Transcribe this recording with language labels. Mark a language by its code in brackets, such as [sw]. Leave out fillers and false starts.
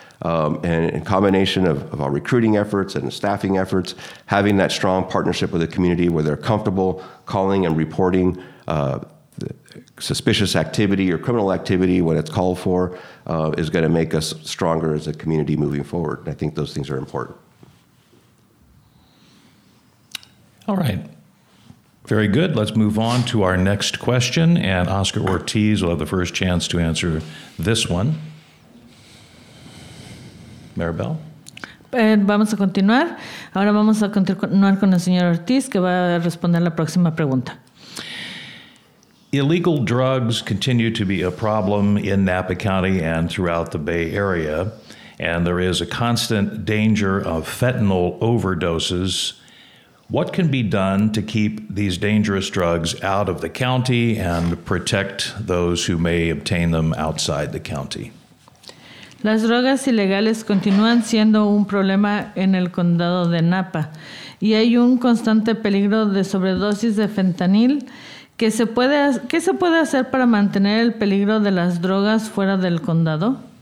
[en] And in combination of our recruiting efforts and staffing efforts, having that strong partnership with the community where they're comfortable calling and reporting suspicious activity or criminal activity when it's called for is going to make us stronger as a community moving forward. And I think those things are important. All right. Very good. Let's move on to our next question. And Oscar Ortiz will have the first chance to answer this one. Maribel. [es] Vamos a continuar. Ahora vamos a continuar con el señor Ortiz, que va a responder la próxima pregunta. [en] Illegal drugs continue to be a problem in Napa County and throughout the Bay Area, and there is a constant danger of fentanyl overdoses. What can be done to keep these dangerous drugs out of the county and protect those who may obtain them outside the county? [es] Las drogas ilegales continúan siendo un problema en el condado de Napa y hay un constante peligro de sobredosis de fentanil. ¿Qué se puede hacer para mantener el peligro de las drogas fuera del condado?